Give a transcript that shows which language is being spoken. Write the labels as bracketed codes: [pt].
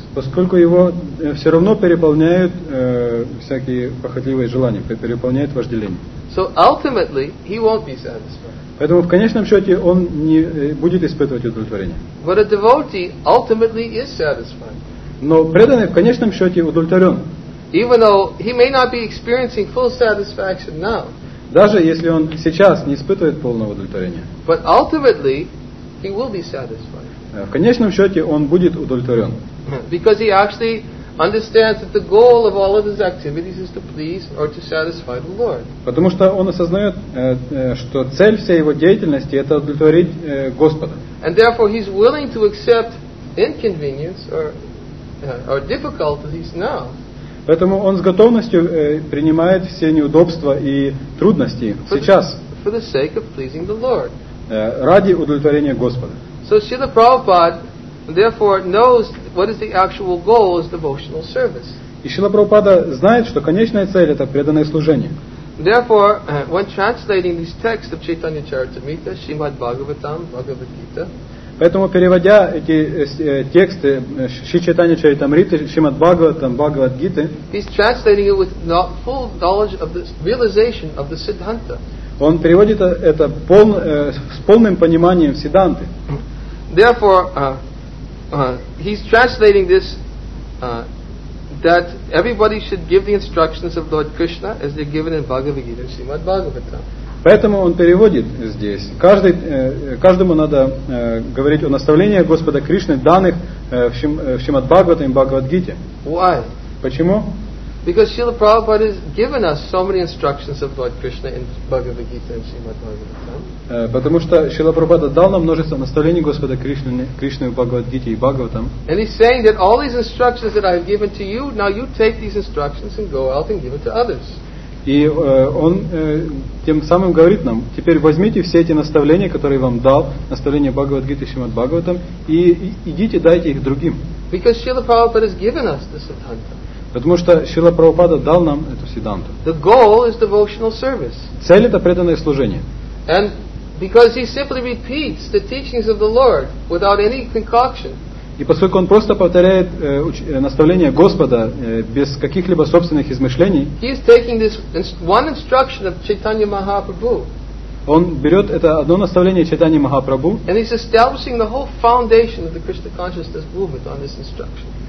[ru] Поскольку его все равно переполняют всякие похотливые желания, переполняют вожделение. [en] So ultimately he won't be satisfied. [ru] Поэтому в конечном счете он не будет испытывать удовлетворение. [en] But a devotee ultimately is satisfied. [ru] Но преданный в конечном счете удовлетворен. [en] Even though he may not be experiencing full satisfaction now. [ru] Даже если он сейчас не испытывает полного удовлетворения. [en] But ultimately he will be satisfied. [ru] В конечном счете он будет удовлетворен. [en] Because he actually understands that the goal of all of his activities is to please or to satisfy the Lord. [ru] Потому что он осознает, что цель всей его деятельности — это удовлетворить Господа. [en] And therefore he's willing to accept inconvenience or difficulties now. [ru] Поэтому он с готовностью принимает все неудобства и трудности сейчас. [en] For the sake of pleasing the Lord. [ru] Ради удовлетворения Господа. [en] So Srila Prabhupada therefore knows what is the actual goal is devotional service. [ru] И Шрила Прабхупада знает, что конечная цель — это преданное служение. [en] Therefore, when translating these texts of Chaitanya Charitamrita, Srimad Bhagavatam, Bhagavad Gita, [ru] поэтому переводя эти тексты Шри Чайтанья Чаритамриты, Шримад Бхагаватам, Бхагавад Гиты, [en] he's translating it with full knowledge of the realization of the Siddhanta. [ru] Он переводит это с полным пониманием в Сиддханты. [en] Therefore, he's translating this that everybody should give the instructions of Lord Krishna as they're given in Bhagavad Gita and Srimad Bhagavatam. [ru] Поэтому он переводит здесь. Каждому надо говорить о наставлениях Господа Кришны, данных в Шримад Бхагаватам и Бхагавад Гите. [en] Why? [ru] Почему? [en] Because Srila Prabhupada has given us so many instructions of Lord Krishna in Bhagavad Gita and Srimad Bhagavatam. [ru] Потому что Шрила Прабхупада дал нам множество наставлений Господа Кришны в Бхагавад Гите и Бхагаватам. [en] And he's saying that all these instructions that I've given to you, now you take these instructions and go out and give it to others. [ru] И он тем самым говорит нам: теперь возьмите все эти наставления, которые вам дал, наставления Бхагавад Гиты, Шримад Бхагаватам, и идите, дайте их другим. [en] Because Srila Prabhupada has given us the Siddhanta. [ru] Потому что Шрила Прабхупада дал нам эту Сиддханту. [en] The goal is devotional service. [ru] Цель — это преданное служение. [en] And because he simply repeats the teachings of the Lord without any concoction. [ru] И поскольку он просто повторяет наставления Господа без каких-либо собственных измышлений, [en] he is taking this one instruction of Chaitanya Mahaprabhu. [ru] Он берет это одно наставление Чайтанья Махапрабху, [en] and he's establishing the whole foundation of the Krishna consciousness movement on this instruction.